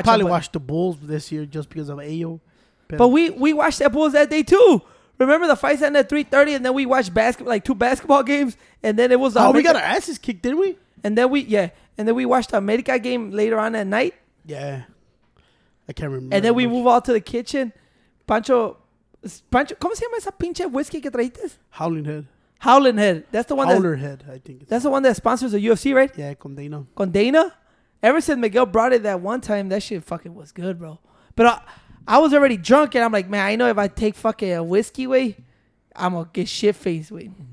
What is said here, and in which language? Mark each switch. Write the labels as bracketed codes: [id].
[en] I probably watched the Bulls this year just because of Ayo. But we watched that Bulls that day too. Remember the fight ended at 3:30, and then we watched basketball, like two basketball games, and then it was. We got our asses kicked, didn't we? And then we watched the America game later on at night. Yeah, I can't remember. And then we move all to the kitchen. [es] Pancho, ¿cómo se llama esa pinche whiskey que trajiste? [en] Howling Head. Howling Head. That's the one. Howler Head, I think. That's the one that sponsors the UFC, right? Yeah, con Dana. Con Dana? Ever since Miguel brought it that one time, that shit fucking was good, bro. But I was already drunk, and I'm like, man, I know if I take fucking a whiskey way, I'm going to get shit-faced way.